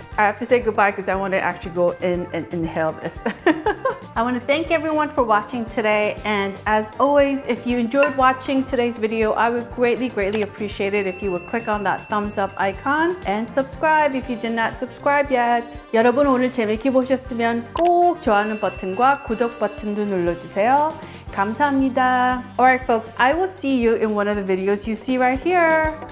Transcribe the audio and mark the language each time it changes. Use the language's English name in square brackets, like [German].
[English] I have to say goodbye because I want to actually go in and inhale this. I want to thank everyone for watching today. And as always, if you enjoyed watching today's video, I would greatly, greatly appreciate it if you would click on that thumbs up icon and subscribe if you did not subscribe yet. [Korean] 여러분, 오늘 재밌게 보셨으면 꼭 좋아요 버튼과 구독 버튼도 눌러주세요. 감사합니다. [English] All right, folks, I will see you in one of the videos you see right here.